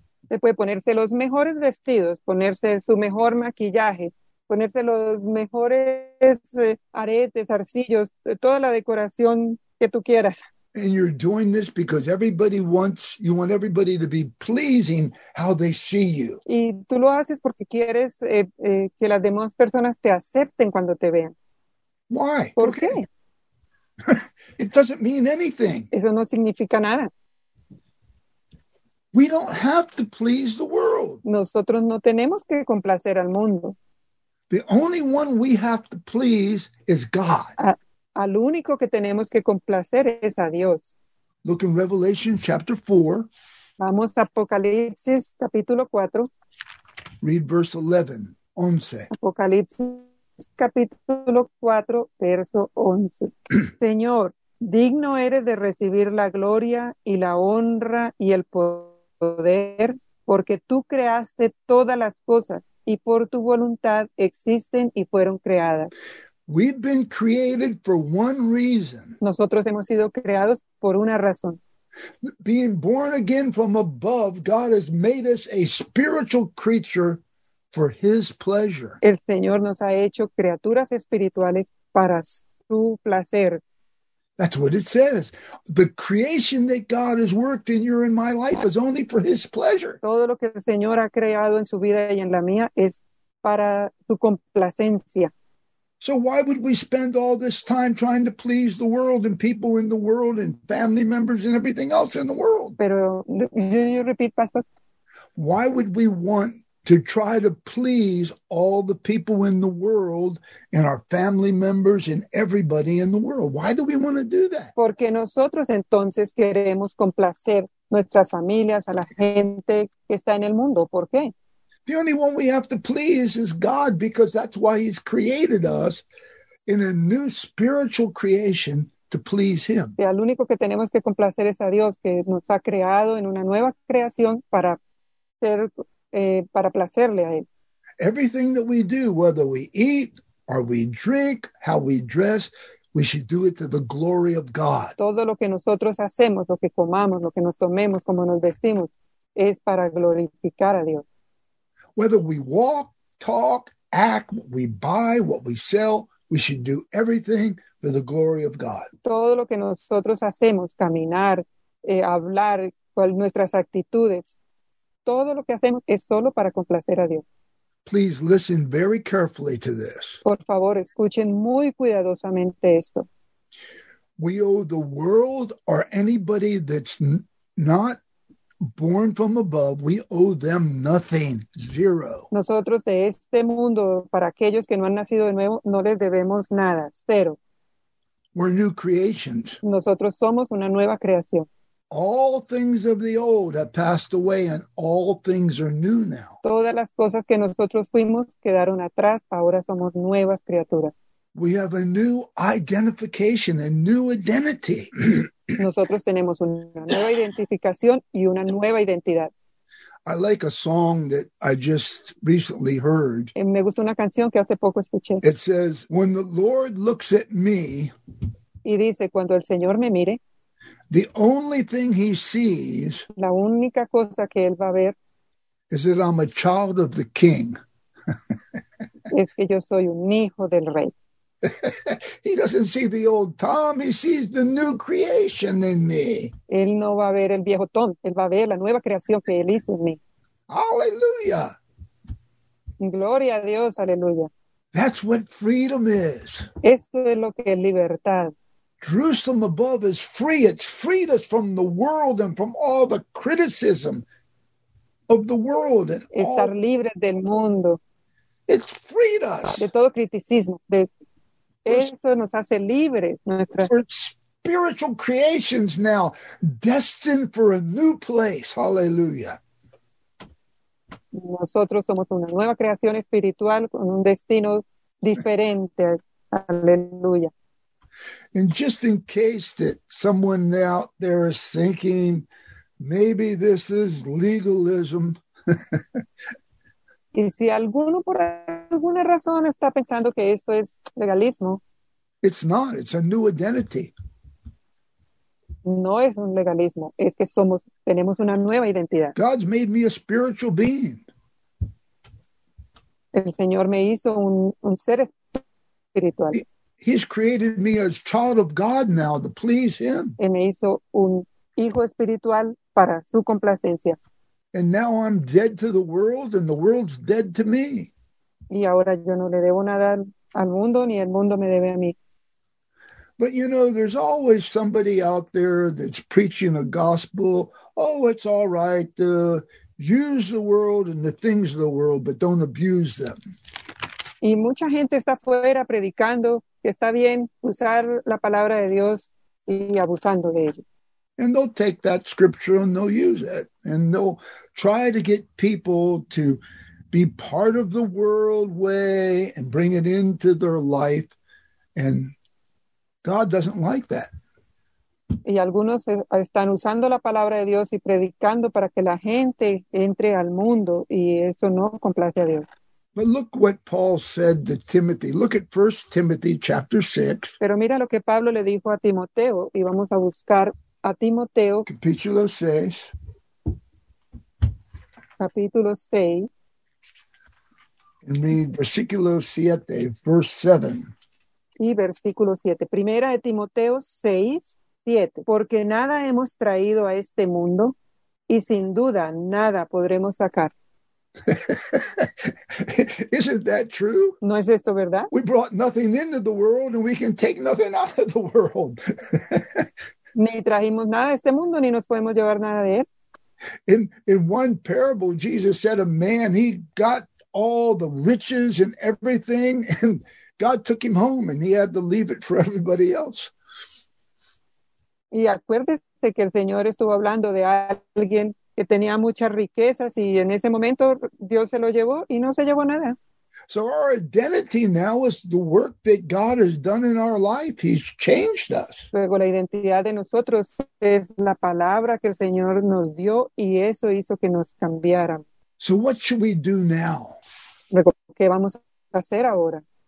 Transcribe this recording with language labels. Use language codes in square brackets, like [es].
[es] Se puede ponerse los mejores vestidos, ponerse su mejor maquillaje, ponerse los mejores aretes, arcillos, toda la decoración que tú quieras. [en] And you're doing this because everybody wants, you want everybody to be pleasing how they see you. [es] Y tú lo haces porque quieres que las demás personas te acepten cuando te vean. [en] Why? [es] ¿Por qué? [en] It doesn't mean anything. [es] Eso no significa nada. [en] We don't have to please the world. [es] Nosotros no tenemos que complacer al mundo. [en] The only one we have to please is God. [es] Al único que tenemos que complacer es a Dios. [en] Look in Revelation chapter 4. [es] Vamos a Apocalipsis capítulo 4. [en] Read verse 11. 11. [es] Apocalipsis capítulo 4, verso 11. Señor, digno eres de recibir la gloria y la honra y el poder, porque tú creaste todas las cosas y por tu voluntad existen y fueron creadas. [en] We've been created for one reason. [es] Nosotros hemos sido creados por una razón. [en] Being born again from above, God has made us a spiritual creature for his pleasure. [es] El Señor nos ha hecho criaturas espirituales para su placer. [en] That's what it says. The creation that God has worked in your and my life is only for his pleasure. [es] Todo lo que el Señor ha creado en su vida y en la mía es para su complacencia. [en] So why would we spend all this time trying to please the world and people in the world and family members and everything else in the world? [es] Pero yo repito, pastor. [en] Why would we want to try to please all the people in the world and our family members and everybody in the world? Why do we want to do that? [es] Porque nosotros entonces queremos complacer nuestras familias, a la gente que está en el mundo. ¿Por qué? [en] The only one we have to please is God, because that's why he's created us in a new spiritual creation to please him. [es] El único que tenemos que complacer es a Dios, que nos ha creado en una nueva creación para ser para placerle a él. [en] Everything that we do, whether we eat or we drink, how we dress, we should do it to the glory of God. [es] Todo lo que nosotros hacemos, lo que comamos, lo que nos tomemos, como nos vestimos, es para glorificar a Dios. [en] Whether we walk, talk, act, what we buy, what we sell, we should do everything for the glory of God. [es] Todo lo que nosotros hacemos, caminar, hablar, nuestras actitudes, todo lo que hacemos es solo para complacer a Dios. [en] Please listen very carefully to this. [es] Por favor, escuchen muy cuidadosamente esto. [en] We owe the world or anybody that's not born from above, we owe them nothing, zero. [es] Nosotros de este mundo, para aquellos que no han nacido de nuevo, no les debemos nada, cero. [en] We're new creations. [es] Nosotros somos una nueva creación. [en] All things of the old have passed away and all things are new now. [es] Todas las cosas que nosotros fuimos quedaron atrás, ahora somos nuevas criaturas. [en] We have a new identification, a new identity. [es] Nosotros tenemos una nueva identificación y una nueva identidad. [en] I like a song that I just recently heard. [es] Me gusta una canción que hace poco escuché. [en] It says, when the Lord looks at me, [es] y dice, cuando el Señor me mire, [en] the only thing he sees, [es] la única cosa que él va a ver, [en] is that I'm a child of the king. [es] Es que yo soy un hijo del rey. [en] He doesn't see the old Tom, he sees the new creation in me. [es] Él no va a ver el viejo Tom, él va a ver la nueva creación que él hizo en mí. [en] Hallelujah. [es] Gloria a Dios, aleluya. [en] That's what freedom is. [es] Esto es lo que es libertad. [en] Jerusalem above is free. It's freed us from the world and from all the criticism of the world. And [es] estar [en] all... [es] libre del mundo. [en] It's freed us. [es] De todo criticismo. De... Eso nos hace libres. Nuestra... [en] We're spiritual creations now, destined for a new place. Hallelujah. [es] Nosotros somos una nueva creación espiritual con un destino diferente. Aleluya. [en] And just in case that someone out there is thinking, maybe this is legalism. [es] Y si alguno por alguna razón está pensando que esto es legalismo. [en] It's not. It's a new identity. [es] No es un legalismo. Es que somos, tenemos una nueva identidad. [en] God's made me a spiritual being. [es] El Señor me hizo un ser espiritual. [en] He's created me as child of God now to please him. [es] Él me hizo un hijo espiritual para su complacencia. [en] And now I'm dead to the world and the world's dead to me. [es] Y ahora yo no le debo nada al mundo ni el mundo me debe a mí. [en] But you know, there's always somebody out there that's preaching a gospel. Oh, it's all right to use the world and the things of the world, but don't abuse them. [es] Y mucha gente está fuera predicando que está bien usar la palabra de Dios y abusando de ello. [en] And they'll take that scripture and they'll use it. And they'll try to get people to be part of the world way and bring it into their life. And God doesn't like that. [es] Y algunos están usando la palabra de Dios y predicando para que la gente entre al mundo y eso no complace a Dios. [en] But look what Paul said to Timothy. Look at 1 Timothy chapter 6. [es] Pero mira lo que Pablo le dijo a Timoteo y vamos a buscar a Timoteo. Capítulo 6. Capítulo 6. [en] And read versículo 7, verse 7. [es] Y versículo 7. Primera de Timoteo 6, 7. Porque nada hemos traído a este mundo y sin duda nada podremos sacar. [en] Isn't that true? [es] ¿No es esto verdad? [en] We brought nothing into the world and we can take nothing out of the world. [es] Ni trajimos nada a este mundo ni nos podemos llevar nada de él. [en] In one parable, Jesus said a man, he got all the riches and everything and God took him home and he had to leave it for everybody else. [es] Y acuérdese que el Señor estuvo hablando de alguien que tenía muchas riquezas y en ese momento Dios se lo llevó y no se llevó nada. [en] So our identity now is the work that God has done in our life. He's changed us. [es] Luego la identidad de nosotros es la palabra que el Señor nos dio y eso hizo que nos cambiaran. So what should we do now? Luego, ¿qué vamos a hacer ahora?